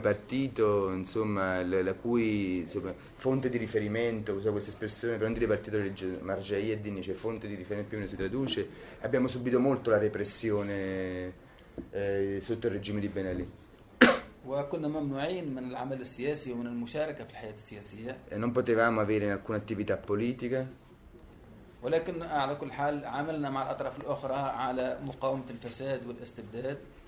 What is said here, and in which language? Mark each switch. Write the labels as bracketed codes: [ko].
[it] partito, insomma, la cui insomma, fonte di riferimento, uso questa espressione, per non dire partito religioso, Marjaieddin, cioè fonte di riferimento più o meno si traduce, abbiamo subito molto la repressione sotto il regime di Ben Ali. [ar] وكنا ممنوعين من العمل السياسي ومن المشاركة في الحياة السياسية. [it] E non potevamo avere alcuna attività politica. [ar] ولكن على كل حال عملنا مع الأطراف الأخرى على مقاومة الفساد والاستبداد.